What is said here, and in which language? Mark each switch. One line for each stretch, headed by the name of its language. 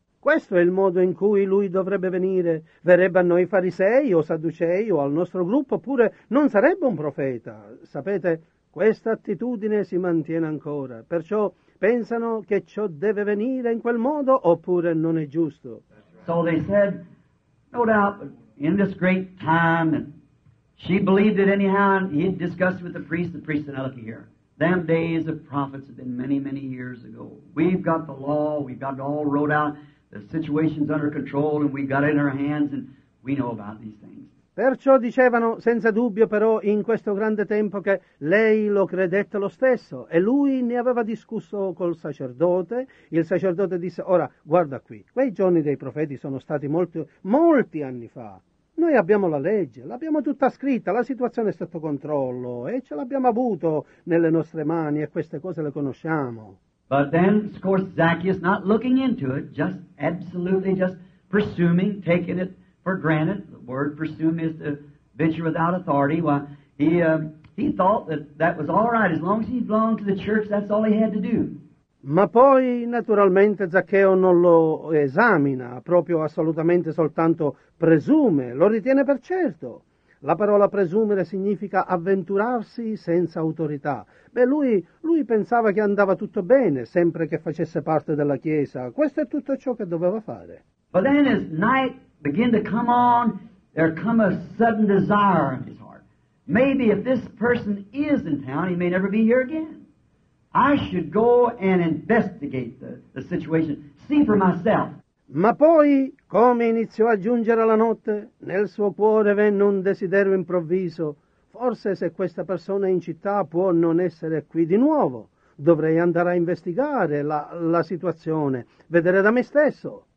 Italian: Questo è il modo in cui lui dovrebbe venire. Verrebbe a noi farisei o sadducei o al nostro gruppo, oppure non sarebbe un profeta. Sapete, questa attitudine si mantiene ancora. Perciò pensano che ciò deve venire in quel modo, oppure non è giusto.
English: So they said, no doubt, in this great time, and she believed it anyhow, and he had discussed with the priest said, look here, them days of prophets have been many, many years ago. We've got the law, we've got it all wrote out. The situation's under control and we got it in our hands and we know about these things.
Italian: Perciò dicevano, senza dubbio però, in questo grande tempo che lei lo credette lo stesso, e lui ne aveva discusso col sacerdote. Il sacerdote disse, ora, guarda qui, quei giorni dei profeti sono stati molti, molti anni fa. Noi abbiamo la legge, l'abbiamo tutta scritta, la situazione è sotto controllo, e ce l'abbiamo avuto nelle nostre mani, e queste cose le conosciamo.
English: But then, of course, Zacchaeus, not looking into it, just absolutely just presuming, taking it for granted. The word presume is to venture without authority. Well, he thought that that was all right. As long as he belonged to the church, that's all he had to do.
Italian: Ma poi, naturalmente, Zaccheo non lo esamina, proprio assolutamente soltanto presume, lo ritiene per certo. La parola presumere significa avventurarsi senza autorità. Beh, lui pensava che andava tutto bene, sempre che facesse parte della Chiesa. Questo è tutto ciò che doveva fare.
English: But then as night began to come on, there come a sudden desire in his heart. Maybe if this person is in town, he may never be here again. I should go and investigate the situation, see for myself.
Italian: Ma poi, come iniziò a giungere la notte, nel suo cuore venne un desiderio improvviso. Forse se questa persona è in città può non essere qui di nuovo. Dovrei andare a investigare la situazione, vedere da me stesso.